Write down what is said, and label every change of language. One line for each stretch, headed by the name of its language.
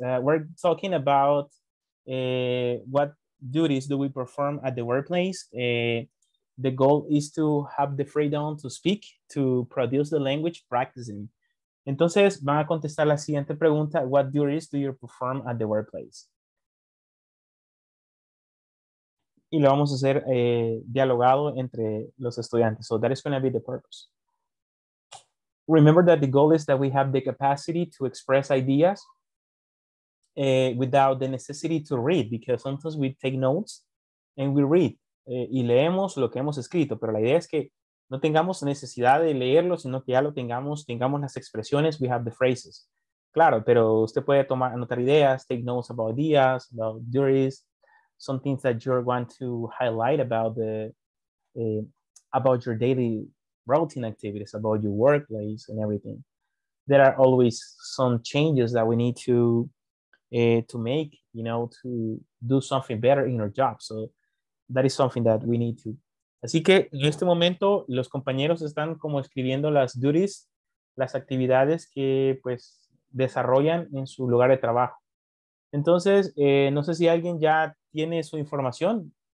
English: We're talking about what duties do we perform at the workplace. The goal is to have the freedom to speak, to produce the language practicing.
Spanish: Entonces, van a contestar la siguiente pregunta.
English: What duties do you perform at the workplace?
Spanish: Y lo vamos a hacer dialogado entre los estudiantes.
English: So that is going to be the purpose. Remember that the goal is that we have the capacity to express ideas without the necessity to read, because sometimes we take notes and we read.
Spanish: Y leemos lo que hemos escrito, pero la idea es que no tengamos necesidad de leerlo, sino que ya lo tengamos, tengamos las expresiones,
English: we have the phrases.
Spanish: Claro, pero usted puede tomar, anotar ideas,
English: take notes about ideas, about duties, some things that you're going to highlight about the, about your daily routine activities, about your workplace and everything. There are always some changes that we need to make, you know, to do something better in our job. So that is something that we need to.
Spanish: Así que en este momento los compañeros están como escribiendo las duties, las actividades que pues desarrollan en su lugar de trabajo. Entonces, no sé si alguien ya tiene su información.